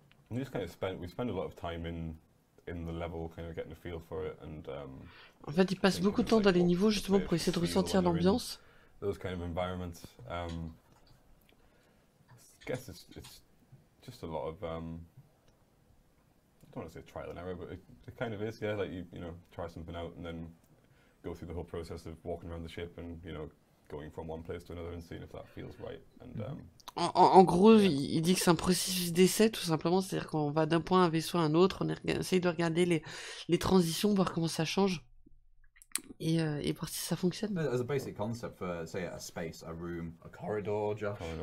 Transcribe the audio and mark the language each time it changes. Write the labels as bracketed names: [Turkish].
[English] We spend a lot of time in the level, kind of getting a feel for it, and. [French] En fait, ils passent beaucoup de temps dans les niveaux justement pour essayer de ressentir l'ambiance. [English] Those kind of environments. I guess it's just a lot of I don't want to say trial and error, but it kind of is, yeah. Like you know, try something out and then go through the whole process of walking around the ship and, you know, going from one place to another and seeing if that feels right. And [French] En gros, [English] yeah. [French] Il dit que c'est un processus d'essai, tout simplement. C'est-à-dire qu'on va d'un point à un vaisseau à un autre, on essaye de regarder les transitions, voir comment ça change. Et voir si ça fonctionne. [English] As a basic concept for, say, a space, a room, a corridor, Josh.